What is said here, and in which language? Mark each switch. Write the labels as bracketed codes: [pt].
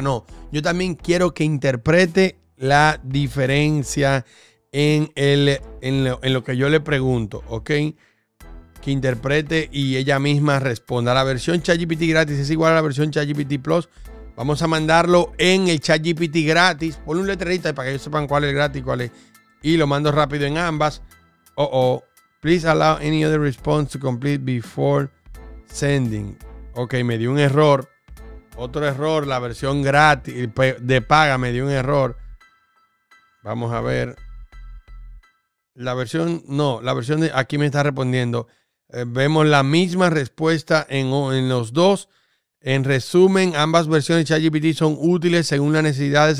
[es] No, yo también quiero que interprete la diferencia en lo que yo le pregunto. Ok, que interprete y ella misma responda. La versión ChatGPT gratis es igual a la versión ChatGPT Plus. Vamos a mandarlo en el ChatGPT gratis. Pon un letrerito ahí para que ellos sepan cuál es gratis y cuál es. Y lo mando rápido en ambas. Oh. [en] Please allow any other response to complete before sending. [es] Ok, me dio un error. Otro error, la versión gratis de paga me dio un error. Vamos a ver. La versión de aquí me está respondiendo. Vemos la misma respuesta en los dos. En resumen, ambas versiones de ChatGPT son útiles según las necesidades.